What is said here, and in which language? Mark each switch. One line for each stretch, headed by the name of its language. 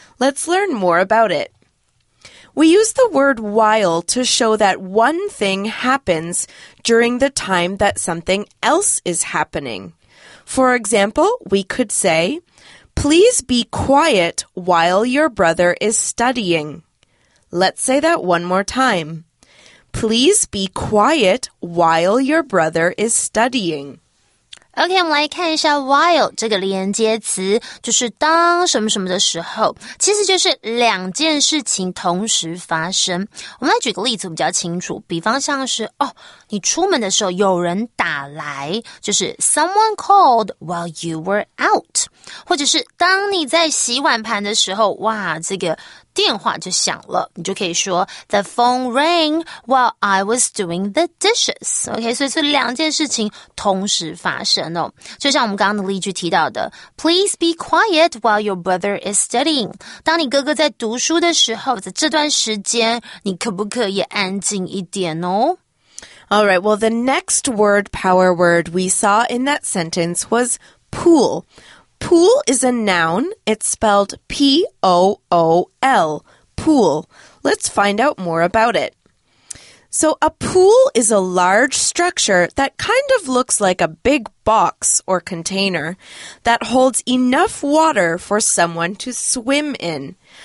English: Let's learn more about it. We use the word while to show that one thing happens during the time that something else is happening. For example, we could say, please be quiet while your brother is studying. Let's say that one more time. Please be quiet while your brother is studying.
Chinese: OK, 我们来看一下 while 这个连接词就是当什么什么的时候其实就是两件事情同时发生。我们来举个例子比较清楚比方像是哦你出门的时候有人打来就是
English: someone called while you were out.
Chinese: 或者是当你在洗碗盘的时候哇这个电话就响了你就可以说
English: The phone rang while I was doing the dishes.
Chinese: OK, 所以是两件事情同时发生哦。就像我们刚刚的例句提到的
English: Please be quiet while your brother is studying.
Chinese: 当你哥哥在读书的时候在这段时间你可不可以安静一点哦
English: All right, well, the next word power word we saw in that sentence was pool. Pool is a noun. It's spelled P-O-O-L, pool. Let's find out more about it. So a pool is a large structure that kind of looks like a big box or container that holds enough water for someone to swim in.